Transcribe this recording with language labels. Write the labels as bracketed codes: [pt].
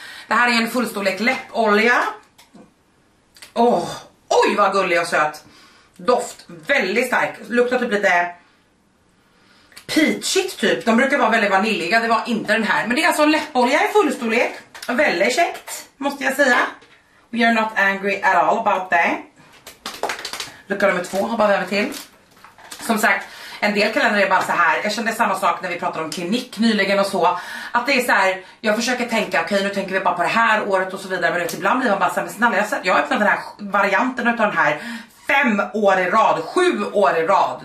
[sv] Det här är en fullstorlek läppolja. Åh, oh, oj vad gullig och söt. Doft, väldigt stark. Luktar typ lite peachigt typ. De brukar vara väldigt vaniljiga, det var inte den här. Men det är alltså en läppolja i fullstorlek. Väldigt käckt, måste jag säga. [en] We are not angry at all about that. [sv] Lucka nummer två har bara vävet till. Som sagt, en del kalender är bara så här. Jag kände samma sak när vi pratade om klinik nyligen och så. Att det är så här, jag försöker tänka, okej, nu tänker vi bara på det här året och så vidare. Men ibland blir man bara såhär, men snälla, jag har öppnat den här varianten av den här 5 år i rad, 7 år i rad.